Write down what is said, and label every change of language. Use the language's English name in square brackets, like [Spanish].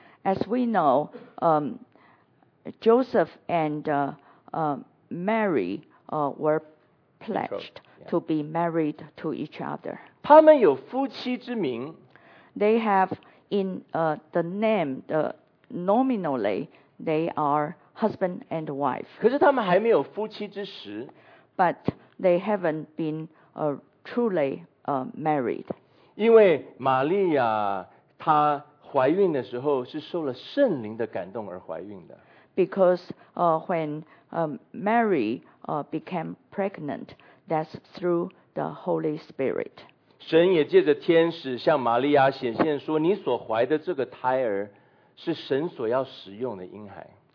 [English] As we know, Joseph and Mary were pledged to be married to each other. [Chinese] 他们有夫妻之名。 [English] They have in the name, the nominally, they are husband and wife. [Chinese] 可是他们还没有夫妻之实。 [English] But they haven't been truly married. [Chinese] 因为玛利亚她怀孕的时候是受了圣灵的感动而怀孕的。 [English] Because when Mary became pregnant, that's through the Holy Spirit. [Chinese] 神也借着天使向玛利亚显现说，你所怀的这个胎儿是神所要使用的婴孩。